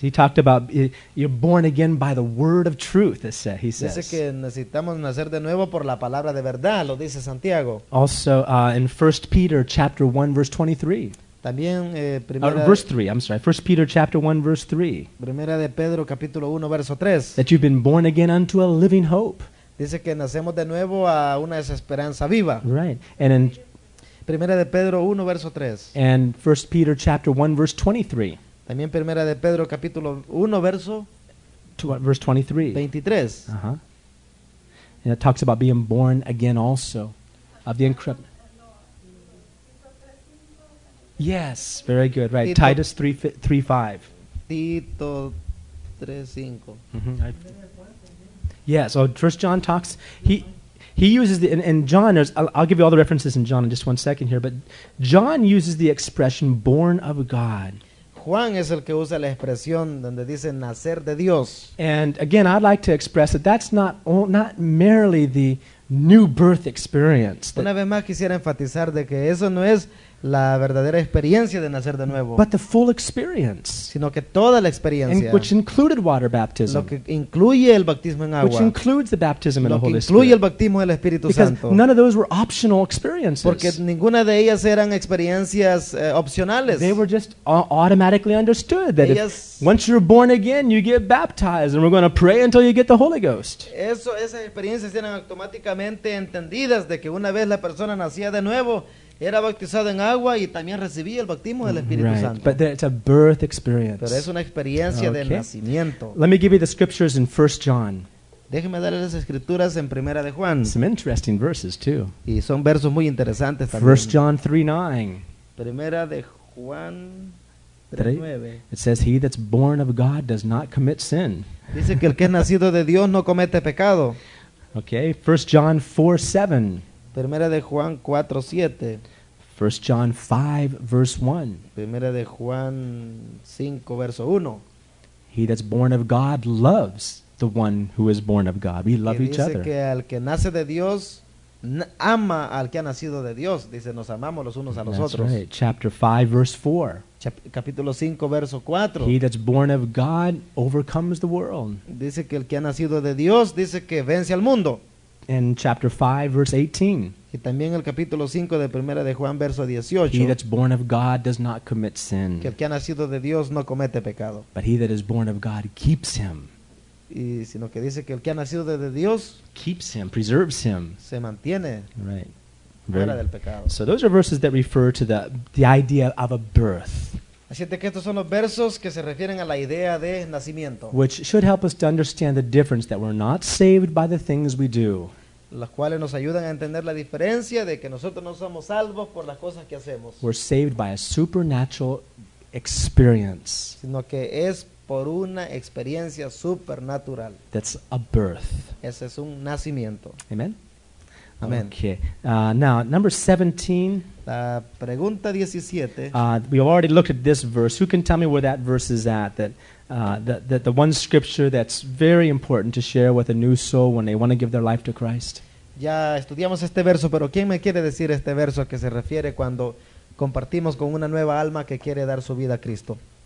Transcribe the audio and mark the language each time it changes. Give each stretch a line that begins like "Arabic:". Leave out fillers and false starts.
English: He talked about you're born again by the word of truth, he says.
Spanish: Dice que necesitamos nacer de nuevo por la palabra de verdad, lo dice Santiago.
English: Also, in 1 Peter chapter 1 verse 23.
Spanish: También
English: verse 3, I'm sorry. 1 Peter chapter 1 verse 3.
Spanish: Primera de Pedro capítulo 1 verso 3.
English: That you've been born again unto a living hope.
Spanish: Dice que nacemos de nuevo a una esperanza viva.
English: Right. And in
Spanish: Primera de Pedro 1 verso 3.
English: And 1 Peter chapter 1 verse 23.
Spanish: También Primera de Pedro capítulo 1 verso
English: verse 23. Uh-huh. And it talks about being born again also of the incorruptible. Yes, very good. Right.
Spanish: Tito,
English: Titus 3:5.
Spanish: Tito 3:5. Mm-hmm.
English: Yeah, so 1 John talks, he uses the, and John, I'll give you all the references in John in just 1 second here, but John uses the expression born of God.
Spanish: Juan es el que usa la expresión donde dice nacer de Dios.
English: And again, I'd like to express that that's not merely the new birth experience.
Spanish: Una vez más quisiera enfatizar de que eso no es la verdadera experiencia de nacer de nuevo,
English: but the full experience,
Spanish: sino que toda la experiencia,
English: which included water baptism,
Spanish: lo que incluye el bautismo en agua,
English: which includes the baptism in the Holy Spirit,
Spanish: lo que incluye el bautismo del Espíritu Santo,
English: because none of those were optional experiences,
Spanish: porque ninguna de ellas eran experiencias opcionales.
English: They were just automatically understood that
Spanish: ellas,
English: if, once you're born again, you get baptized, and we're going to pray until you get the Holy Ghost.
Spanish: Esas experiencias eran automáticamente entendidas de que una vez la persona nacía de nuevo. Era bautizado en agua y también recibía el bautismo del Espíritu
English: right.
Spanish: Santo.
English: But it's a birth experience.
Spanish: Pero es una experiencia
English: okay.
Spanish: de nacimiento.
English: Let me give you the scriptures in 1 John.
Spanish: Déjeme darle las escrituras en Primera de Juan.
English: Some interesting verses too.
Spanish: Y son versos muy interesantes también.
English: 1 John 3:9.
Spanish: Primera de Juan 3:9.
English: It says, he that's born of God does not commit sin.
Spanish: Dice que el que es nacido de Dios no comete pecado.
English: Okay, 1 John 4:7.
Spanish: Primera de Juan 4, 7.
English: 1 John 5, verse 1.
Spanish: Primera de Juan 5, verso 1.
English: He that's born of God loves the one who is born of God. We love each other.
Spanish: Dice que al que nace de Dios, ama al que ha nacido de Dios. Dice, nos amamos los unos a los
English: that's
Spanish: otros.
English: That's right. Chapter 5, verse 4.
Spanish: Capítulo 5, verso 4.
English: He that's born of God overcomes the world.
Spanish: Dice que el que ha nacido de Dios, dice que vence al mundo.
English: In chapter 5, verse 18.
Spanish: Y también el capítulo 5 de Primera de Juan, verso 18.
English: He that's born of God does not commit sin.
Spanish: Que el que ha nacido de Dios no comete pecado.
English: But he that is born of God keeps him.
Spanish: Y sino que dice que el que ha nacido de Dios
English: keeps him, preserves him.
Spanish: Se mantiene.
English: Right.
Spanish: Fuera del pecado.
English: So those are verses that refer to the idea of a birth.
Spanish: Así que estos son los versos que se refieren a la idea de nacimiento.
English: Which should help us to understand the difference that we're not saved by the things we do.
Spanish: Las cuales nos ayudan a entender la diferencia de que nosotros no somos salvos por las cosas que hacemos.
English: We're saved by a supernatural experience.
Spanish: Sino que es por una experiencia supernatural.
English: That's a birth.
Spanish: Ese es un nacimiento. Amen. Amen.
English: Okay. Now, number 17.
Spanish: La pregunta 17.
English: We've already looked at this verse. Who can tell me where that verse is at? The one scripture that's very important to share with a new soul when they want to give their life to Christ.
Spanish: Ya estudiamos este verso, pero ¿quién me quiere decir este verso que se refiere cuando compartimos con una nueva alma que quiere dar su vida a Cristo?